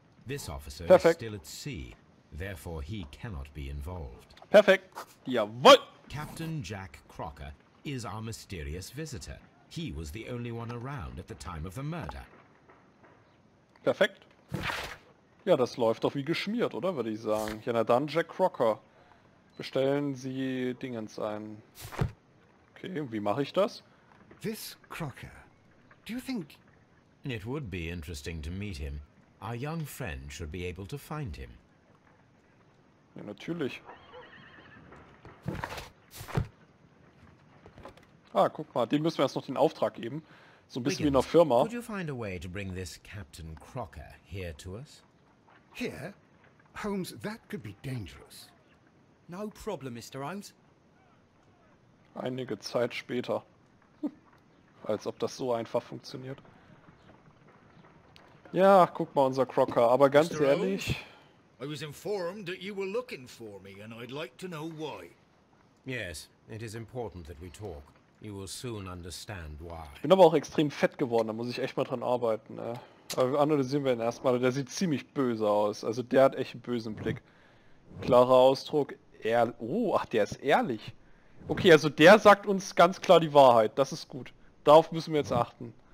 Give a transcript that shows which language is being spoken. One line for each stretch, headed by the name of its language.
English: This officer is still at sea, therefore he cannot be involved.
German: Perfekt. Jawohl.
English: Captain Jack Crocker is our mysterious visitor. He was the only one around at the time of the murder.
German: Perfekt. Ja, das läuft doch wie geschmiert, oder? Würde ich sagen. Ja, na dann, Jack Crocker. Bestellen Sie Dingens ein. Okay, wie mache ich das?
English: This Crocker. Do you think... It would be interesting to meet him. Our young friend should be able to find him.
German: Ja, natürlich. Ah, guck mal, dem müssen wir erst noch den Auftrag geben. So ein bisschen wie in der Firma.
English: Could you find a way to bring this Captain Crocker here to us? Here? Holmes, that could be dangerous. No problem, Mr. Holmes.
German: Einige Zeit später. Als ob das so einfach funktioniert. Ja, guck mal, unser Crocker, aber ganz ehrlich...
English: I was informed that you were looking for me, and I'd like to know why. Yes, it is important that we talk. You will soon understand why.
German: Ich bin aber auch extrem fett geworden, da muss ich echt mal dran arbeiten. Ne? Aber analysieren wir ihn erstmal, der sieht ziemlich böse aus. Also der hat echt einen bösen Blick. Klarer Ausdruck, der ist ehrlich. Okay, also der sagt uns ganz klar die Wahrheit, das ist gut. Darauf müssen wir jetzt achten.